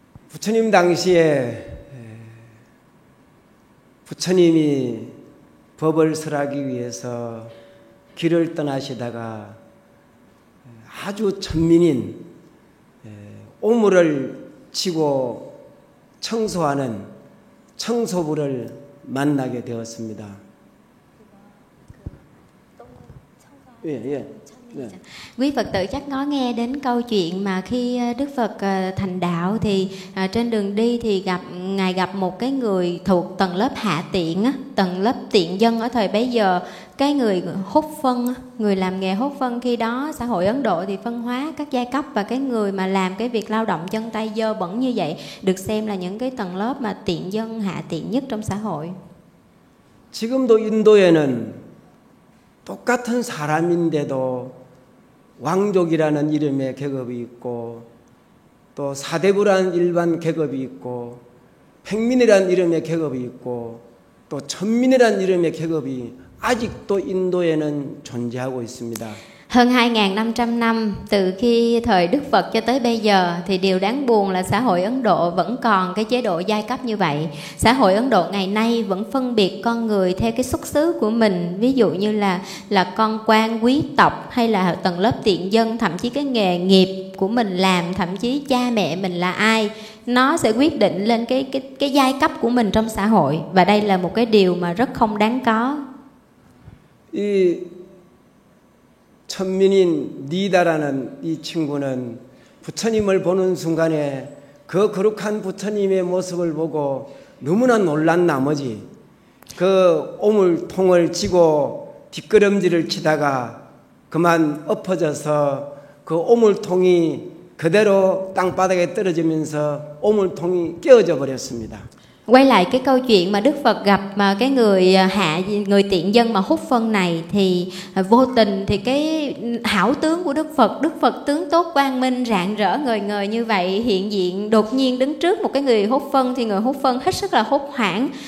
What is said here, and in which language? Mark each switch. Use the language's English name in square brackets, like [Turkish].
[Korean] Buchanim 당시에 부처님이 법을 설하기 위해서 길을 떠나시다가 아주 천민인 오물을 치고 청소하는 청소부를 만나게 되었습니다. 예. Yeah. [Vietnamese] Quý Phật tử chắc có nghe đến câu chuyện mà khi Đức Phật thành đạo thì trên đường đi thì gặp ngài gặp một cái người thuộc tầng lớp hạ tiện á, tầng lớp tiện dân ở thời bấy giờ, cái người hút phân, người làm nghề hút phân. Khi đó xã hội Ấn Độ thì phân hóa các giai cấp và cái người mà làm cái việc lao động chân tay dơ bẩn như vậy được xem là những cái tầng lớp mà tiện dân hạ tiện nhất trong xã hội. [Korean] 지금도 인도에는 똑같은 사람인데도 왕족이라는 이름의 계급이 있고 또 사대부라는 일반 계급이 있고 평민이라는 이름의 계급이 있고 또 천민이라는 이름의 계급이 아직도 인도에는 존재하고 있습니다. [Vietnamese] Hơn 2500 năm từ khi thời Đức Phật cho tới bây giờ thì điều đáng buồn là xã hội Ấn Độ vẫn còn cái chế độ giai cấp như vậy. Xã hội Ấn Độ ngày nay vẫn phân biệt con người theo cái xuất xứ của mình, ví dụ như là con quan quý tộc hay là tầng lớp tiện dân, thậm chí cái nghề nghiệp của mình làm, thậm chí cha mẹ mình là ai, nó sẽ quyết định lên cái giai cấp của mình trong xã hội, và đây là một cái điều mà rất không đáng có. [Korean] 천민인 니다라는 이 친구는 부처님을 보는 순간에 그 거룩한 부처님의 모습을 보고 너무나 놀란 나머지 그 오물통을 지고 뒷걸음질을 치다가 그만 엎어져서 그 오물통이 그대로 땅바닥에 떨어지면서 오물통이 깨어져 버렸습니다. [Vietnamese] Quay lại cái câu chuyện mà Đức Phật gặp mà cái người hạ, người tiện dân mà hút phân này, thì vô tình thì cái hảo tướng của Đức Phật tướng tốt quang minh rạng rỡ ngời ngời như vậy hiện diện, đột nhiên đứng trước một cái người hút phân thì người hút phân hết sức là hốt hoảng.